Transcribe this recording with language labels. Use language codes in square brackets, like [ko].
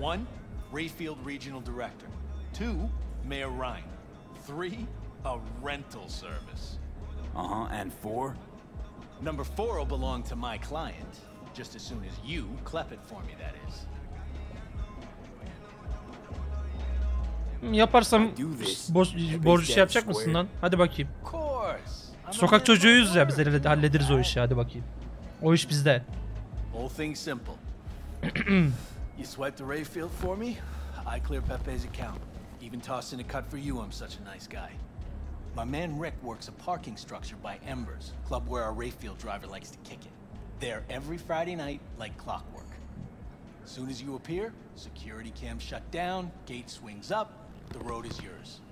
[en] 1 Rayfield Regional Director. 2 Mayor Ryan. 3 a rental service. And 4? Number 4 will belong to my client just as soon as you clep it for me, that is. [tr] Yaparsam borcu şey yapacak mısın lan? Hadi bakayım. Sokak çocuğuyuz ya, biz hallederiz o işi. Hadi bakayım. O iş bizde. [en] All things simple. You swipe the Rayfield for me, I clear Pepe's account. Even toss in a cut for you, I'm such a nice guy. My man Rick works a parking structure by Embers, club where our Rayfield driver likes to kick it. There every Friday night, like clockwork. Soon as you appear, security cam shut down, gate swings up, the road is yours.